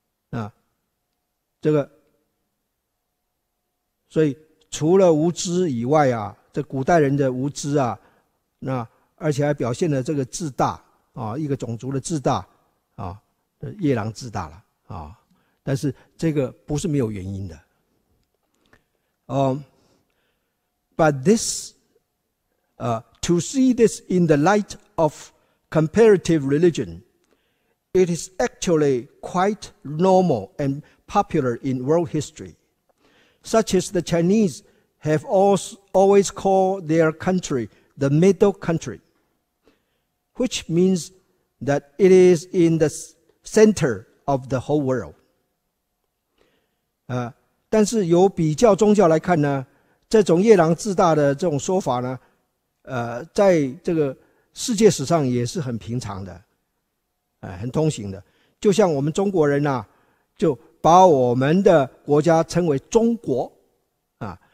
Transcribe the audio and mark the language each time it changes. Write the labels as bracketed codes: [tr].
[zh] 啊，这个，所以除了无知以外啊，这古代人的无知啊，那而且还表现了这个自大啊，一个种族的自大啊，夜郎自大了啊。但是这个不是没有原因的。 [en] But this, to see this in the light of comparative religion, it is actually quite normal and popular in world history. Such as the Chinese have always called their country the middle country, which means that it is in the center of the whole world. [zh] 但是由比较宗教来看呢，这种夜郎自大的这种说法呢，在这个世界史上也是很平常的，很通行的。就像我们中国人啊，就把我们的国家称为中国啊。